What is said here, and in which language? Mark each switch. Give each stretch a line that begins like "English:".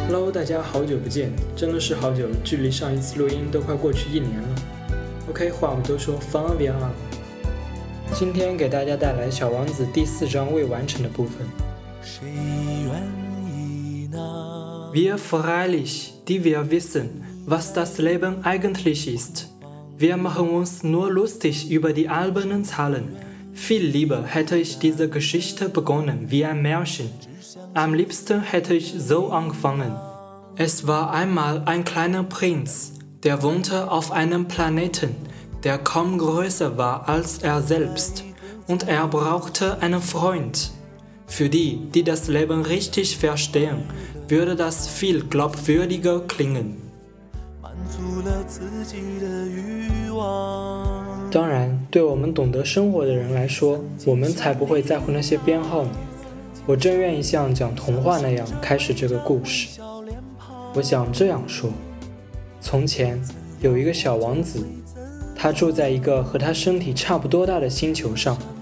Chinese: 大家好久不见，真的是好久，距离上一次录音都快过去一年了。 OK， 话不多说，放音乐啊，今天给大家带来小王子第四章未完成的部分。谁愿意呢？
German: Wir freilich, die wir wissen, was das Leben eigentlich ist. Wir machen uns nur lustig über die albernen Zahlen. Viel lieber hätte ich diese Geschichte begonnen wie ein Märchen. Am liebsten hätte ich so angefangen. Es war einmal ein kleiner Prinz, der wohnte auf einem Planeten, der kaum größer war als er selbst, und er brauchte einen Freund. Für die, die das Leben richtig verstehen, würde das viel glaubwürdiger klingen.
Chinese: 当然，对我们懂得生活的人来说，我们才不会在乎那些编号呢。我真愿意像讲童话那样开始这个故事。我想这样说：从前有一个小王子，他住在一个和他身体差不多大的星球上。